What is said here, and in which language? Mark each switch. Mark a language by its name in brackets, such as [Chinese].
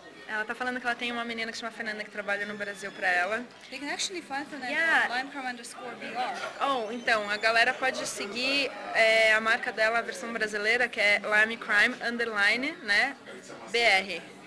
[Portuguese] Ela tá falando que ela tem uma menina que chama Fernanda que trabalha no Brasil pra ela. [English] They can actually find Fernanda at limecrow_br. [Portuguese] Oh, então, a galera pode seguir a marca dela, a versão brasileira, que é limecrow_, né, BR.